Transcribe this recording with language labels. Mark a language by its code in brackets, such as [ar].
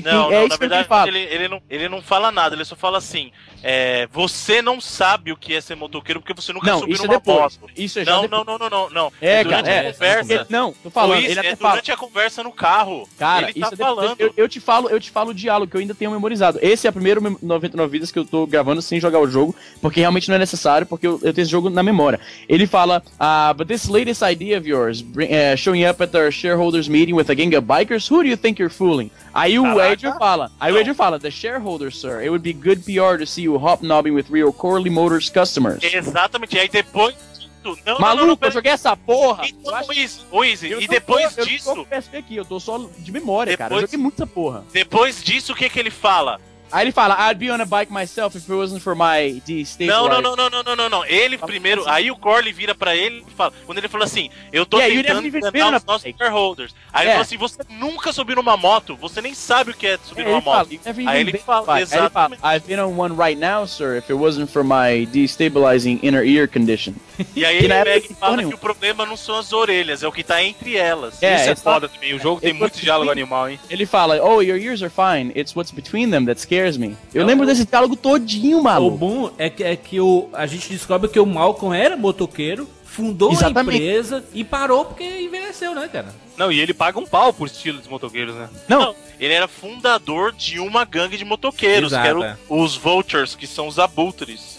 [pt] não, quem, não, é isso que ele fala. Ele não fala nada, ele só fala assim: é, você não sabe o que é ser motoqueiro porque você nunca subiu numa moto. Isso é não, não, não, não, não, não. É, cara, durante a conversa. Não, tô falando. Luiz, durante a conversa no carro. Cara, ele tá falando. Eu te falo o diálogo que eu ainda tenho memorizado. Esse é o primeiro 99 vidas que eu tô gravando sem jogar o jogo, porque realmente não é necessário, porque eu tenho esse jogo na memória. Ele fala: [en] but this latest idea of yours, showing up at our shareholders meeting with a gang of bikers, who do you think you're fooling? [pt] Aí o Adrian fala, [en] the shareholder, sir, it would be good PR to see you hobnobbing with real Corley Motors customers. [pt] Exatamente, aí depois disso... Não, maluco, não, eu joguei essa porra! Então, Wizzy, e depois porra, disso... Eu tô só de memória, depois, cara, eu joguei muita porra. Depois disso, o que que ele fala? Aí ele fala, [en] I'd be on a bike myself if it wasn't for my [pt] D-State. Não. Ele primeiro, aí o Corley vira pra ele e fala, quando ele falou assim, eu tô tentando enganar os nossos shareholders. Aí ele fala assim, você nunca subiu numa moto, você nem sabe o que é subir numa moto. Aí ele fala, [en] I've been on one right now, sir, if it wasn't for my destabilizing inner ear condition. [pt] E aí ele pega e fala que o problema não são as orelhas, é o que tá entre elas. Isso é foda também, o jogo tem muito diálogo animal, hein? Ele fala, [en] oh, your ears are fine, it's what's between them that's scares me. [pt] Eu lembro desse diálogo todinho, maluco. O bom é que a gente descobre que o Malcolm era motoqueiro, fundou a empresa e parou porque envelheceu, né, cara? Não, e ele paga um pau por estilo de motoqueiros, né? Não. Ele era fundador de uma gangue de motoqueiros, que eram os Vultures, que são os abutres.